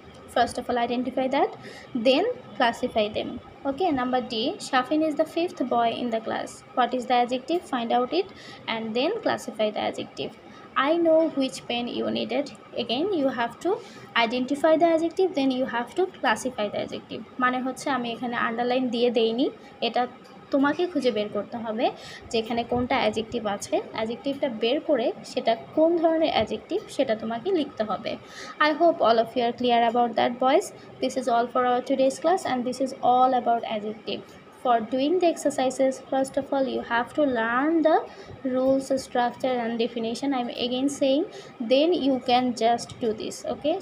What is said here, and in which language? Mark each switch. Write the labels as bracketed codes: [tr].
[en] First of all, identify that, then classify them. Okay, number D, Shafin is the fifth boy in the class. What is the adjective? Find out it and then classify the adjective. I know which pen you needed. Again, you have to identify the adjective, then you have to classify the adjective. [bn] মানে হচ্ছে আমি এখানে underline দিয়ে দেইনি, এটা তোমাকে খুঁজে বের করতে হবে যে এখানে কোনটা adjective আছে, adjective-টা বের করে সেটা কোন ধরনের adjective সেটা তোমাকে লিখতে হবে. [en] I hope all of you are clear about that, boys. This is all for our today's class and this is all about adjective. For doing the exercises, first of all, you have to learn the rules, structure and definition. I'm again saying, then you can just do this, okay?